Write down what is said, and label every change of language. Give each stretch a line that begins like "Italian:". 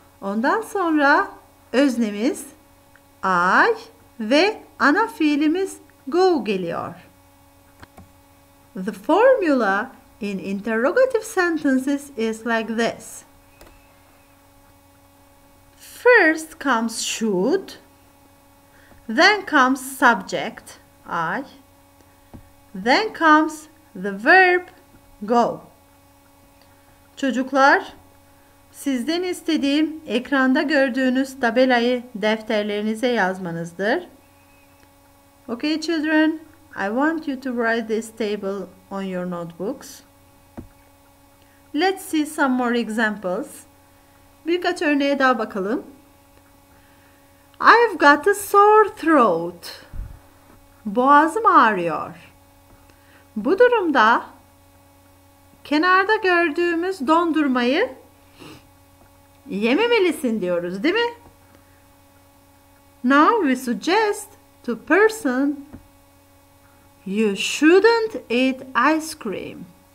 Turkish: Ondan sonra öznemiz I ve ana fiilimiz go geliyor.
English: The formula in interrogative sentences is like this. First comes should, then comes subject, I, then comes the verb, go.
Turkish: Çocuklar, sizden istediğim ekranda gördüğünüz tabelayı defterlerinize yazmanızdır.
English: Okay children, I want you to write this table on your notebooks. Let's see some more examples.
Turkish: Birkaç örneğe daha bakalım.
English: I've got a sore throat.
Turkish: Boğazım ağrıyor. Bu durumda kenarda gördüğümüz dondurmayı yememelisin diyoruz, değil mi?
English: Now we suggest to person you shouldn't eat ice cream.